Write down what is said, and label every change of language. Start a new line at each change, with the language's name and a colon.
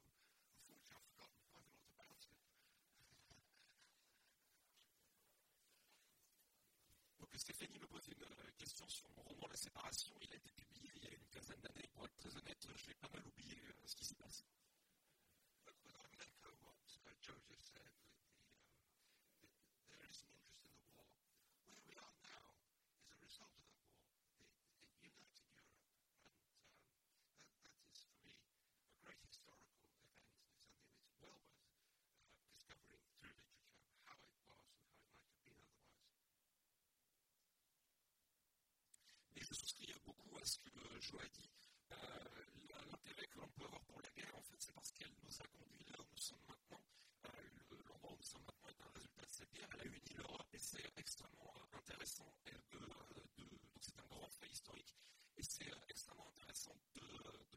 English: Unfortunately, I've forgotten quite a lot about it.
French: Donc, Stéphanie me pose une question sur mon roman La Séparation. Il a été publié il y a une quinzaine d'années. Pour être très honnête, j'ai pas mal oublié ce qui s'est passé.
English: But I'm going to echo what Joe just said. There is an interest in the war. Where we are now is a result of the war. United Europe, and that is for me a great historical event. It's something that's well worth discovering through literature how it was and how it might have been otherwise.
French: Mais je souscris beaucoup à ce que Joe a dit. L'intérêt que l'on peut avoir pour la guerre, en fait, c'est parce qu'elle nous a conduit là où nous sommes maintenant. L'endroit où nous sommes maintenant est un résultat de cette guerre. Elle a uni l'Europe et c'est extrêmement intéressant. Donc c'est un grand fait historique. Et c'est extrêmement intéressant de